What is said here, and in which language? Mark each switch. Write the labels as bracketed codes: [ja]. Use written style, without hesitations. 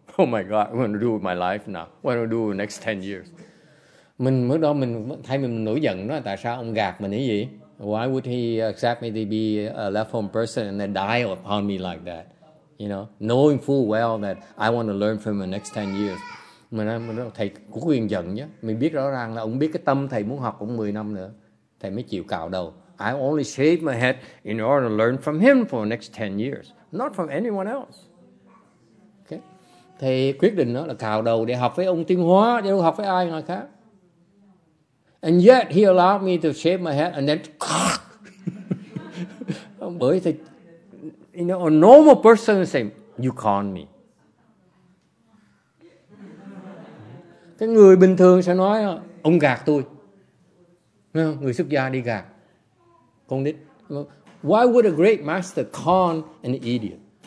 [en] Oh my God, I'm going to do with my life now. What am I going to do with the next 10 years? [vi] Mình mới đó, mình thay vì mình nổi giận đó, tại sao ông gạt mình cái gì? [en] Why would he accept me to be a left-home person and then die upon me like that? You know, knowing full well that I want to learn from him the next 10 years. [vi] Mình nói, thầy có quyền giận nhé. Mình biết rõ ràng là ông biết cái tâm thầy muốn học cũng 10 năm nữa. Thầy mới chịu cạo đầu. [en] I only shaved my head in order to learn from him for the next 10 years. Not from anyone else. Okay. [vi] Thầy quyết định đó là cạo đầu để học với ông Tiên Hóa, để học với ai ngoài khác. [en] And yet he allowed me to shave my head and then [vi] bởi thầy, [en] you know, a normal person say, you con me. [vi] Cái người bình thường sẽ nói ông gạt tôi. Người xuất gia đi gạt con nít. [en] Why would a great master con an idiot?